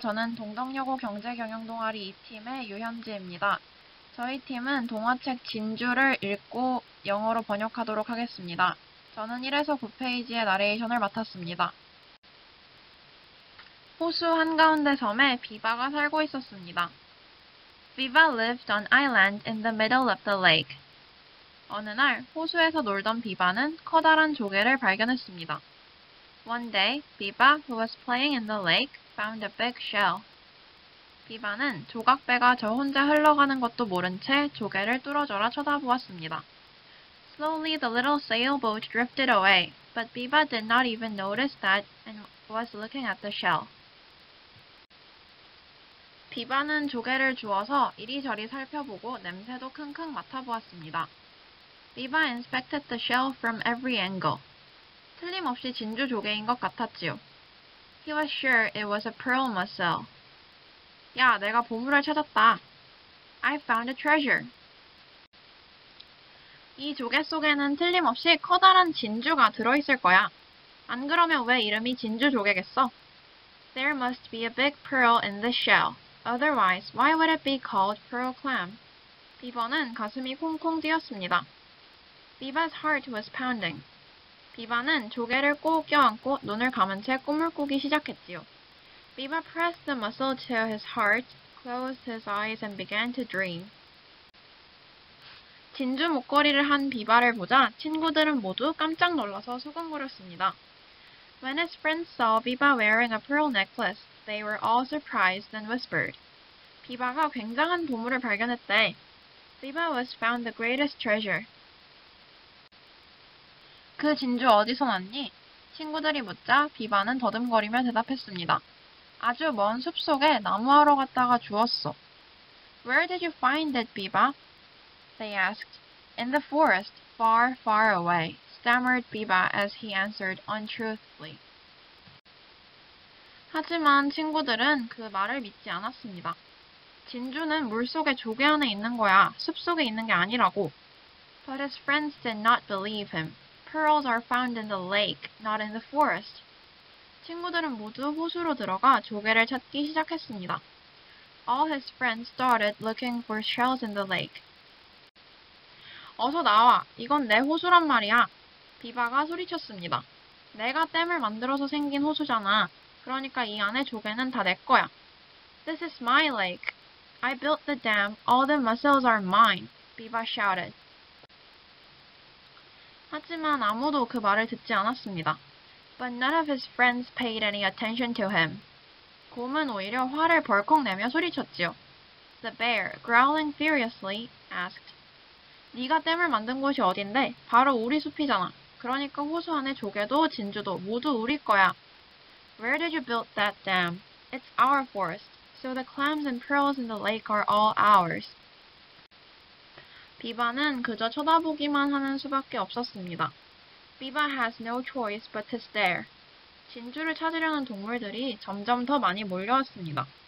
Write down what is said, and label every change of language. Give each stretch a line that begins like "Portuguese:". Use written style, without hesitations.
Korean: 저는 동덕여고 경제경영동아리 2팀의 유현지입니다. 저희 팀은 동화책 진주를 읽고 영어로 번역하도록 하겠습니다. 저는 1에서 9페이지의 나레이션을 맡았습니다. 호수 한가운데 섬에 비바가 살고 있었습니다.
English: Biba lived on island in the middle of the lake.
Korean: 어느 날 호수에서 놀던 비바는 커다란 조개를 발견했습니다.
English: One day, Biba, who was playing in the lake, found a big shell.
Korean: 비바는 조각배가 저 혼자 흘러가는 것도 모른 채 조개를 뚫어져라 쳐다보았습니다.
English: Slowly, the little sailboat drifted away, but Biba did not even notice that and was looking at the shell.
Korean: 비바는 조개를 주워서 이리저리 살펴보고 냄새도 킁킁 맡아보았습니다.
English: Biba inspected the shell from every angle.
Korean: 틀림없이 진주 조개인 것 같았지요.
English: He was sure it was a pearl mussel.
Korean: 야, 내가 보물을 찾았다.
English: I found a treasure.
Korean: 이 조개 속에는 틀림없이 커다란 진주가 들어있을 거야. 안 그러면 왜 이름이 진주 조개겠어?
English: There must be a big pearl in the shell. Otherwise, why would it be called pearl clam?
Korean: 비버는 가슴이 콩콩 뛰었습니다.
English: Biba's heart was pounding.
Korean: 비바는 조개를 꼭 껴안고 눈을 감은 채 꿈을 꾸기 시작했지요.
English: Biba pressed the mussel to his heart, closed his eyes, and began to dream.
Korean: 진주 목걸이를 한 비바를 보자 친구들은 모두 깜짝 놀라서 수군거렸습니다.
English: When his friends saw Biba wearing a pearl necklace, they were all surprised and whispered.
Korean: 비바가 굉장한 보물을 발견했대.
English: Biba was found the greatest treasure.
Korean: 그 진주 어디서 났니? 친구들이 묻자 비바는 더듬거리며 대답했습니다. 아주 먼 숲속에 나무하러 갔다가 주웠어.
English: Where did you find it, Biba? They asked. In the forest, far, far away, stammered Biba as he answered untruthfully.
Korean: 하지만 친구들은 그 말을 믿지 않았습니다. 진주는 물속에 조개 안에 있는 거야. 숲속에 있는 게 아니라고.
English: But his friends did not believe him. Pearls are found in the lake, not in the forest.
Korean: 친구들은 모두 호수로 들어가 조개를 찾기 시작했습니다.
English: All his friends started looking for shells in the lake.
Korean: 어서 나와. 이건 내 호수란 말이야. 비바가 소리쳤습니다. 내가 댐을 만들어서 생긴 호수잖아. 그러니까 이 안에 조개는 다내 거야.
English: This is my lake. I built the dam. All the mussels are mine, Biba shouted.
Korean: 하지만 아무도 그 말을 듣지 않았습니다.
English: But none of his friends paid any attention to him.
Korean: 곰은 오히려 화를 벌컥 내며 소리쳤지요.
English: The bear, growling furiously, asked.
Korean: 네가 댐을 만든 곳이 어딘데? 바로 우리 숲이잖아. 그러니까 호수 안에 조개도 진주도 모두 우리 거야.
English: Where did you build that dam? It's our forest, so the clams and pearls in the lake are all ours.
Korean: 비바는 그저 쳐다보기만 하는 수밖에 없었습니다.
English: Biba has no choice but to stare.
Korean: 진주를 찾으려는 동물들이 점점 더 많이 몰려왔습니다.